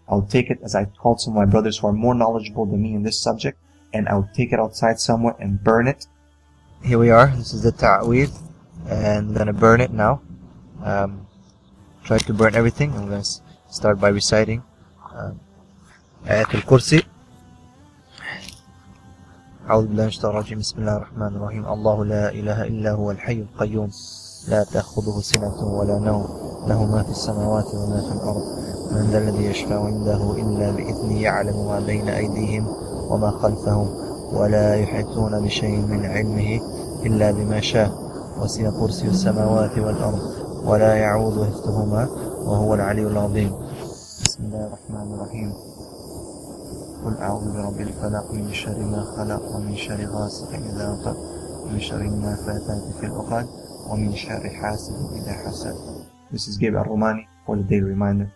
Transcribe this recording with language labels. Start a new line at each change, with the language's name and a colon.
English: I'll take it as I called some of my brothers who are more knowledgeable than me in this subject, and I'll take it outside somewhere and burn it. Here we are. This is the Taweez, and I'm going to burn it now. Try to burn everything. I'm going to start by reciting Ayat al-Kursi.
Arabic: أعوذ بالله من الشيطان الرجيم بسم الله الرحمن الرحيم الله لا إله إلا هو الحي القيوم لا تأخذه سنة ولا نوم له ما في السماوات وما في الأرض من ذا الذي يشفع عنده إلا بإذنه يعلم ما بين أيديهم وما خلفهم ولا يحيطون بشيء من علمه إلا بما شاء وسع كرسيه السماوات والأرض ولا يعوذ حفظهما وهو العلي العظيم بسم الله الرحمن الرحيم قل أعوذ برب الفلق من شر ما خلق ومن شر غاسق إذا وقب ومن شر النافثات في العقد ومن شر حاسد إذا حسد.
English: This is Gabriel Romani for the daily reminder.